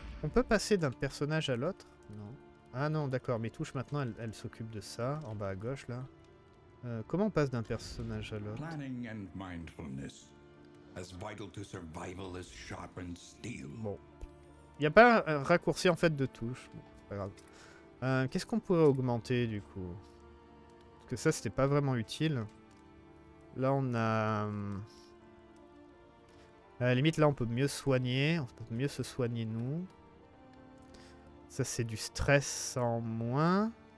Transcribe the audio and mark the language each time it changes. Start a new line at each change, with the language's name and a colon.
French: On peut passer d'un personnage à l'autre? Non. Ah non, d'accord. Mes touches, maintenant, elles s'occupent de ça. En bas à gauche, là. Comment on passe d'un personnage à l'autre?
English: Planning and mindfulness. As vital to survival as sharpened steel.
French: Bon. Il n'y a pas un raccourci, en fait, de touches. Bon, c'est pas grave. Qu'est-ce qu'on pourrait augmenter du coup? Parce que ça, c'était pas vraiment utile. Là, on a. À la limite, là, on peut mieux soigner. On peut mieux se soigner, nous. Ça, c'est du stress en moins.